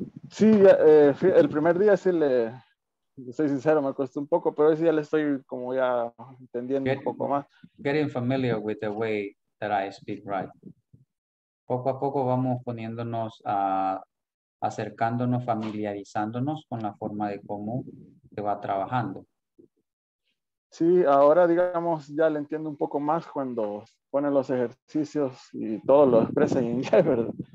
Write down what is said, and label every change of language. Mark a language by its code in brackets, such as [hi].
[es] Sí, el primer día sí le, soy sincero, me costó un poco, pero hoy sí ya le estoy como ya entendiendo un poco más. [en] Getting familiar with the way that I speak, right? [es] Poco a poco vamos poniéndonos, acercándonos, familiarizándonos con la forma de cómo se va trabajando. Sí, ahora digamos ya le entiendo un poco más cuando pone los ejercicios y todo lo expresa en inglés, ¿verdad?